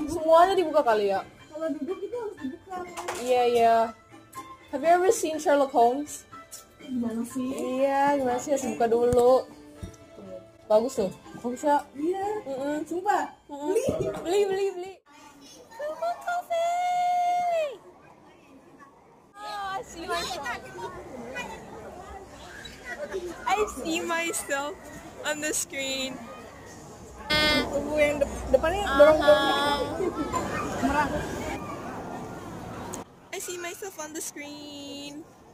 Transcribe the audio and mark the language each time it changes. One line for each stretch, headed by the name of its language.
Indonesian: Semuanya dibuka kali ya. Kalau duduk itu harus dibuka. Iya yeah, iya. Yeah.
English: Have you ever seen Sherlock Holmes?
Indonesian: Gimana sih? Iya yeah, gimana sih harus dibuka dulu. Bagus tuh. Bagus ya. Iya. Yeah. Coba. Beli.
English: Come on, coffee. Oh, I see myself. I see myself on the screen.
Indonesian: Gue yang depannya dorong-dorong. Merah.
English: I see myself on the screen.